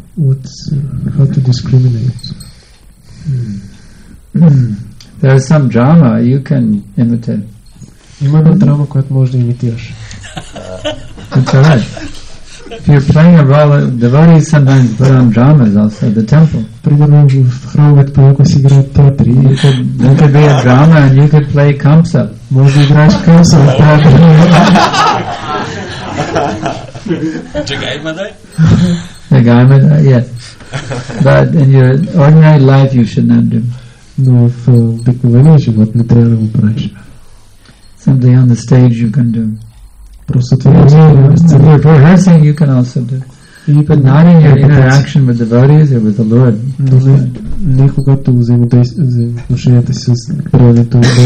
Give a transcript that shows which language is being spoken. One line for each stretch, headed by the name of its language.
English: How to discriminate? There is some drama you can imitate.
Bulgarian: Има една драма, която може да имитираш.
English: That's all right. If you're playing a role, the devotees sometimes put on dramas also at the temple.
Bulgarian: Примерно в храмовете понякога си играят театри.
English: There could be a drama and you could play Kamsa.
Bulgarian: Може да играеш Kamsa в театри. Джагаймадай?
English: Yeah. But in your ordinary life you should not do.
Bulgarian: Но в обикновения живот не трябва да го правиш.
English: Something on the stage you can do.
Bulgarian: Просто това
English: rehearsing you can also do. But not in your interaction with devotees or with the Lord.
Bulgarian: Не когато взаимоотношенията си с преданите.